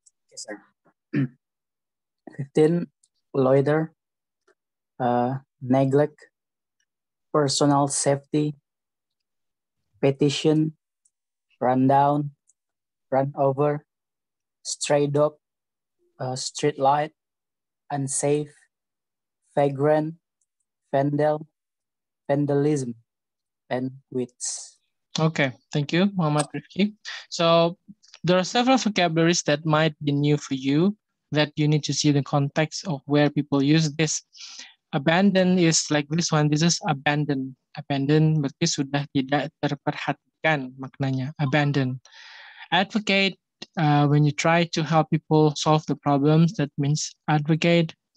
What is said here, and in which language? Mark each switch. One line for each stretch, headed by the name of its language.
English: Yes, sir. 15, loiter, neglect, personal safety, petition, run down, run over, stray dog, street light, unsafe, vagrant, vandalism, and wits. Okay, thank you, Muhammad Rifki. So there are several vocabularies that might be new for you that you need to see the context of where people use this. Abandon is like this one. This is abandon.
Indonesian: Abandon berarti sudah tidak terperhatikan maknanya.
English: Abandon. Advocate, when you try to help people solve the problems, that means advocate.